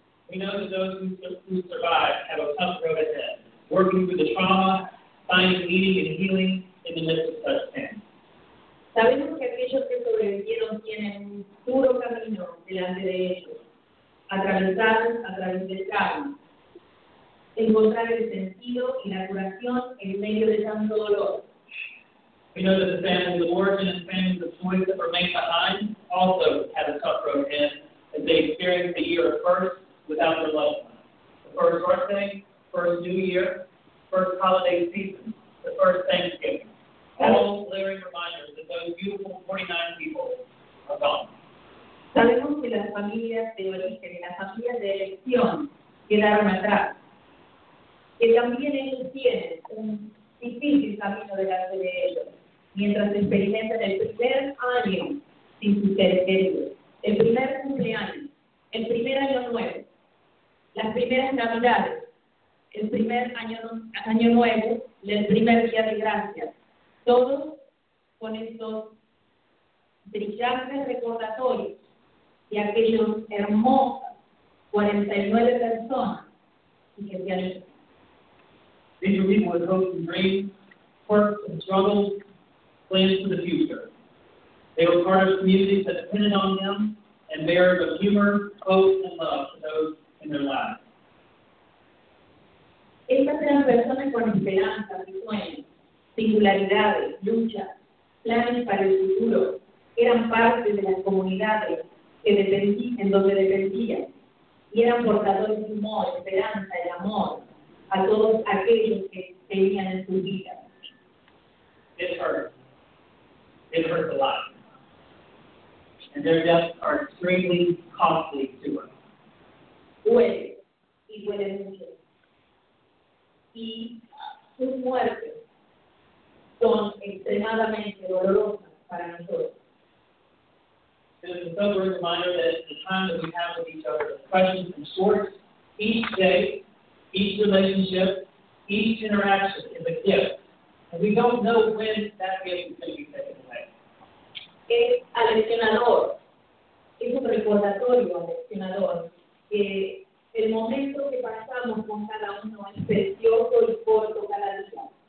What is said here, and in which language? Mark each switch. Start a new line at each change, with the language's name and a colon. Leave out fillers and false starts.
English: We know that those who survived have a tough road ahead, working through the trauma, finding meaning and healing in the midst of such pain.
Spanish: Sabemos que aquellos que sobrevivieron tienen un duro camino delante de ellos, atravesar a través del trauma, encontrar el sentido y la curación en medio de tanto dolor.
English: We know that the families of origin and families of choice that remain behind also have a tough road ahead as they experience the year of first. Without their loved ones. The first birthday, first New Year, first holiday season, the first Thanksgiving. All glaring reminders that those beautiful 49 people are gone.
Spanish: Sabemos que las familias de origen y las familias de elección quedaron atrás. Que también ellos tienen un difícil camino delante de ellos, mientras experimentan el primer año sin sus seres queridos, el primer cumpleaños, el primer año nuevo. Las primeras navidades, el primer año nuevo, el primer día de gracias, todos con estos brillantes recordatorios de aquellos hermosos 49 personas y que se han ido.
English: Vigil people with hopes and dreams, quirks and struggles, plans for the future. They were part of communities that depended on them and bearers of humor, hope, and love to those in their lives.
Spanish: Estas eran personas con esperanzas y sueños, singularidades, luchas, planes para el futuro. Eran parte de las comunidades que en donde dependían y eran portadores de humor, esperanza y amor a todos aquellos que tenían en su vida.
English: It hurts a lot. And their deaths are extremely costly to us.
Spanish: Huele, y huele mucho. Y sus muertes son extremadamente dolorosas para nosotros.
English: It is a sobering reminder that the time that we have with each other, the questions and sorts, each day, each relationship, each interaction is a gift. And we don't know when that gift is going to be taken away.
Spanish: Es aleccionador. Es un recordatorio aleccionador que el momento que pasamos con cada uno es precioso y corto cada día.